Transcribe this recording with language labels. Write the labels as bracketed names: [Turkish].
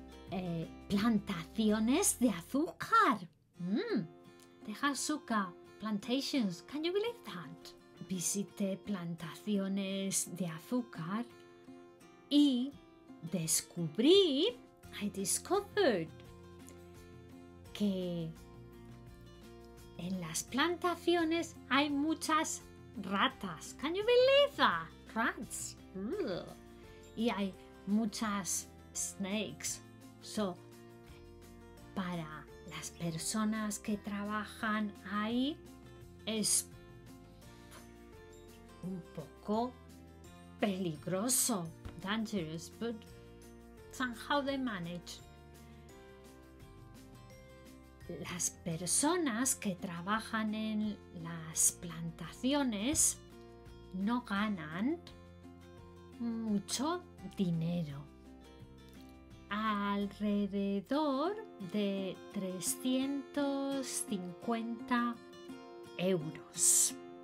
[Spanish] Visité plantaciones de azúcar. De azúcar, [English] plantations, can you believe that? [Spanish] Visité plantaciones de azúcar y descubrí, [English] I discovered, [Spanish] que en las plantaciones hay muchas ratas. [English] Can you believe that? Rats. [Spanish] Y hay muchas [English] snakes. [Spanish] So, para las personas que trabajan ahí, es un poco peligroso. [English] Dangerous, but somehow they manage. [Spanish] Las personas que trabajan en las plantaciones no ganan mucho dinero. Alrededor de 350 euros.